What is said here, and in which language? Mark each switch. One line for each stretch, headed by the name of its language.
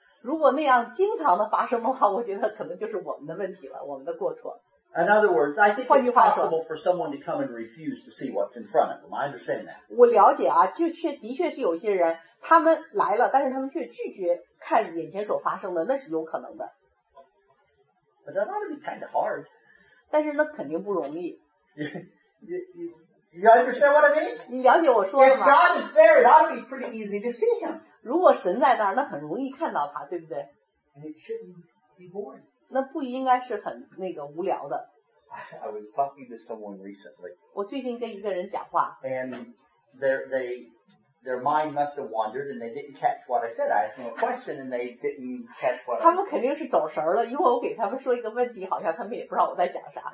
Chinese: 如果那样经常的发生的话，我觉得可能就是我们的问题了，我们的过错。
English: In other words, I think it's possible for someone to come and refuse to see what's in front of them. I understand that.
Chinese: 我了解啊，的确是有些人。他们来了，但是他们却拒绝看眼前所发生的，那是有可能的。
English: But that ought to be kind of hard.
Chinese: 但是那肯定不容易。
English: You understand what I mean?
Chinese: 你了解我说的吗
English: ？If God is there, it ought to be pretty easy to see him.
Chinese: 如果神在那儿，那很容易看到他，对不对
English: ？And it shouldn't be boring.
Chinese: 那不应该是很那个无聊的。
English: I was talking to someone recently.
Chinese: 我最近跟一个人讲话。
English: And their mind must have wandered and they didn't catch what I said. I asked them a question and they didn't catch what I said.
Chinese: 他们肯定是走神了，因为我给他们说一个问题，好像他们也不知道我在讲啥。